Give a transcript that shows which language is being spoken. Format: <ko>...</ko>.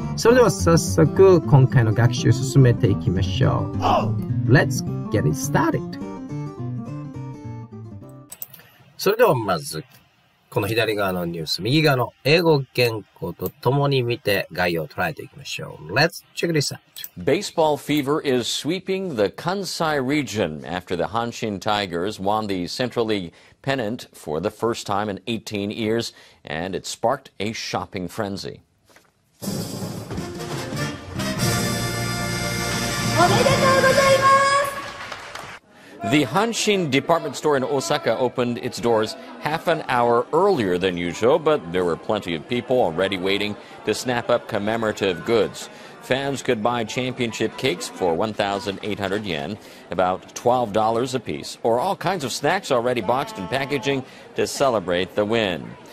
<ja>それでは早速今回の学習進めていきましょう。</ja> <en>Let's get it started。</en> <ja>それではまずこの左側のニュース、右側の英語原稿とともに見て概要を捉えていきましょう。</ja> <en>Let's check this out。 Baseball fever is sweeping the Kansai region after the Hanshin Tigers won the Central League pennant for the first time in 18 years and it sparked a shopping frenzy。</en> <ja>おめでとうございます。</ja> <en>The Hanshin department store in Osaka opened its doors half an hour earlier than usual, but there were plenty of people already waiting to snap up commemorative goods. Fans could buy championship cakes for 1,800 yen, about $12 a piece, or all kinds of snacks already boxed and packaging to celebrate the win.</en>